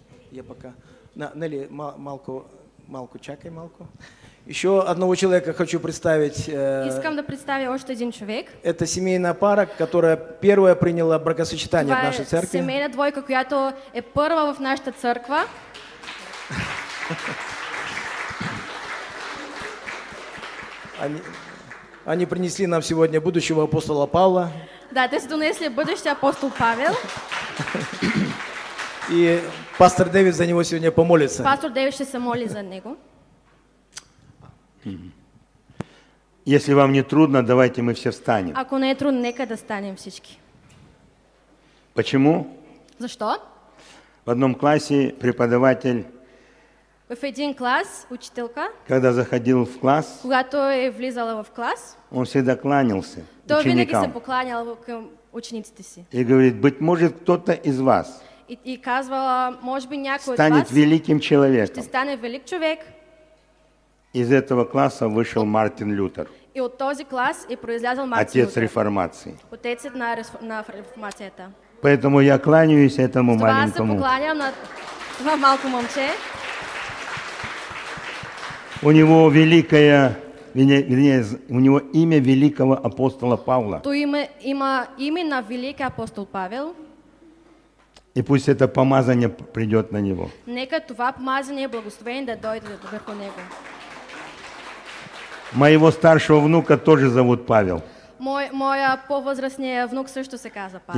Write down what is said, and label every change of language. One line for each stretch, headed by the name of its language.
Russian: Я пока...
Bulgarian: Нелли, малку чакай, малку.
Russian: Еще одного человека хочу представить.
Bulgarian: Искам да представя още один човек.
Russian: Это семейная пара, которая первая приняла бракосочетание в нашей церкви.
Bulgarian: Това е семейна двойка, която е първа в нашата църква.
Russian: Они принесли нам сегодня будущего апостола Павла.
Bulgarian: Да, те са донесли бъдещия апостол Павел.
Russian: И пастор Дэвид за него сегодня помолится.
Bulgarian: Пастор Дэвид ще се моли за него.
Russian: Если вам не трудно, давайте мы все встанем.
Bulgarian: Ако не е трудно, нека да станем всички.
Russian: Почему?
Bulgarian: Защо?
Russian: В одном классе преподаватель...
Bulgarian: В един клас учителка...
Russian: Когда заходил в класс...
Bulgarian: Когато е влизала в клас...
Russian: Он всегда кланялся то ученикам.
Bulgarian: Винаги се покланял към учениците си.
Russian: И говорит, быть может кто-то из вас...
Bulgarian: И казвала, може би някой от
Russian: вас станет великим человеком.
Bulgarian: Ще стане велик човек.
Russian: Из этого класса вышел Мартин Лютер.
Bulgarian: И от този клас е произлязал
Russian: Мартин Лютер. Отец реформации.
Bulgarian: Отец на реформацията.
Russian: Поэтому я кланяюсь этому маленькому.
Bulgarian: Това се покланям на това малко момче.
Russian: У него великая... У него имя великого апостола Павла.
Bulgarian: То има имя на великий апостол Павел.
Russian: И пусть это помазание придет на него.
Bulgarian: Нека това помазание благословение да дойде върху него.
Russian: Моего старшего внука тоже зовут Павел.
Bulgarian: Моя повозрастная внук също се каза Павел.